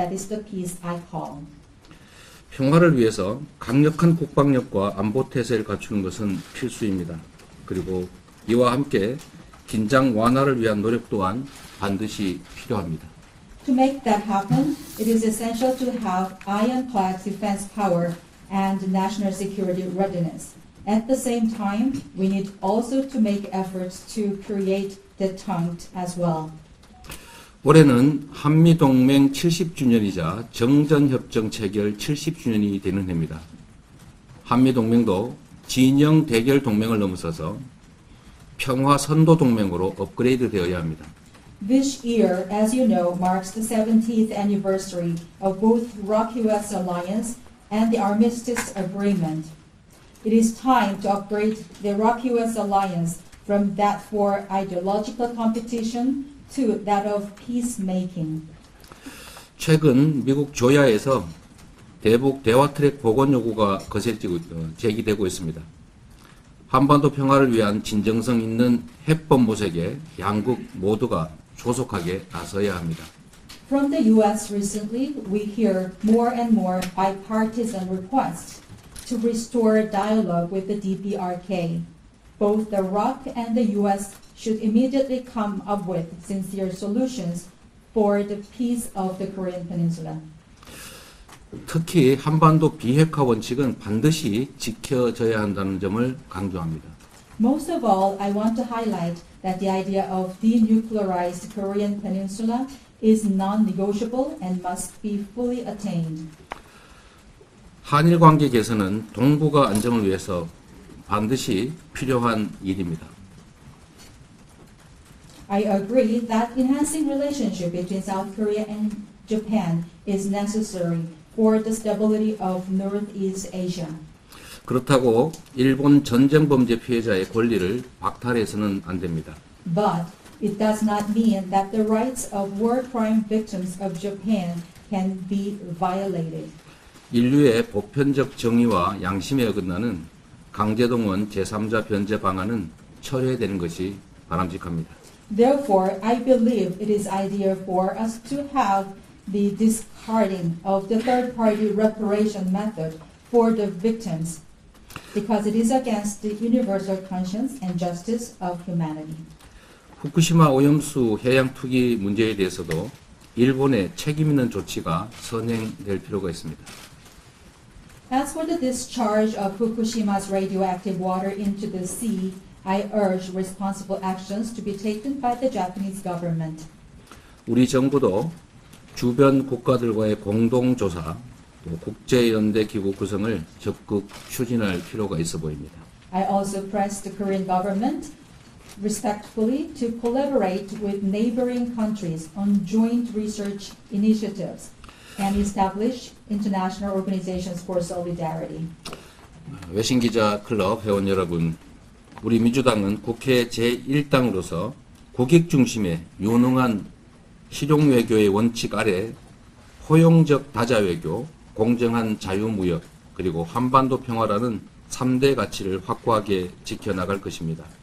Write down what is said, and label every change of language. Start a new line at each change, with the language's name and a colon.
English: That is the peace I call.
Korean: 평화를 위해서 강력한 국방력과 안보 태세를 갖추는 것은 필수입니다. 그리고 이와 함께 긴장 완화를 위한 노력 또한 반드시 필요합니다.
English: To make that happen, it is essential to have ironclad defense power and national security readiness. At the same time, we need also to make efforts to create the tongue as well.
Korean: 올해는 한미동맹 70주년이자 정전협정 체결 70주년이 되는 해입니다. 한미동맹도 진영 대결 동맹을 넘어서서 평화 선도 동맹으로 업그레이드 되어야 합니다.
English: This year, as you know, marks the 70th anniversary of both ROC-US Alliance and the Armistice Agreement. It is time to upgrade the ROC-US Alliance from that for ideological competition to that of peacemaking.
Korean: 최근 미국 조야에서 대북 대화 트랙 복원 요구가 제기되고 있습니다. 한반도 평화를 위한 진정성 있는 해법 모색에 양국 모두가 조속하게 나서야 합니다.
English: From the U.S. recently, we hear more and more bipartisan requests to restore dialogue with the DPRK. Both the ROC and the U.S. should immediately come up with sincere solutions for the peace of the Korean Peninsula.
Korean: 특히 한반도 비핵화 원칙은 반드시 지켜져야 한다는 점을 강조합니다.
English: Most of all, I want to highlight that the idea of denuclearized Korean Peninsula is non-negotiable and must be fully attained.
Korean: 한일 관계 개선은 동북아 안정을 위해서 반드시 필요한 일입니다.
English: I agree that enhancing relationship between South Korea and Japan is necessary for the stability of Northeast Asia.
Korean: 그렇다고 일본 전쟁 범죄 피해자의 권리를 박탈해서는 안 됩니다.
English: But it does not mean that the rights of war crime victims of Japan can be violated.
Korean: 인류의 보편적 정의와 양심에 어긋나는 강제동원 제3자 변제 방안은 철회되는 것이 바람직합니다.
English: Therefore, I believe it is ideal for us to have the discarding of the third-party reparation method for the victims. Because it is against the universal conscience and justice of humanity.
Korean: 후쿠시마 오염수 해양 투기 문제에 대해서도 일본의 책임 있는 조치가 선행될 필요가 있습니다.
English: As for the discharge of Fukushima's radioactive water into the sea, I urge responsible actions to be taken by the Japanese government.
Korean: 우리 정부도 주변 국가들과의 공동 조사 국제연대기구 구성을 적극 추진할 필요가 있어 보입니다.
English: I also press the Korean government respectfully to collaborate with neighboring countries on joint research initiatives and establish international organizations for solidarity.
Korean: 외신기자클럽 회원 여러분, 우리 민주당은 국회 제1당으로서 국익 중심의 유능한 실용외교의 원칙 아래 포용적 다자외교, 공정한 자유무역, 그리고 한반도 평화라는 3대 가치를 확고하게 지켜나�al 것입니다.